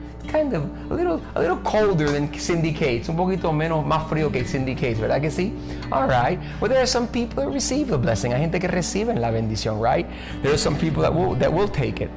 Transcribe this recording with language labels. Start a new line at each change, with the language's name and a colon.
English: Kind of a little colder than Cindy Cates.
Spanish: Un poquito menos, más frío que Cindy Cates, ¿verdad que sí?
English: All right. Well, there are some people that receive the blessing.
Spanish: Hay gente que reciben la bendición,
English: right? There are some people that will take it.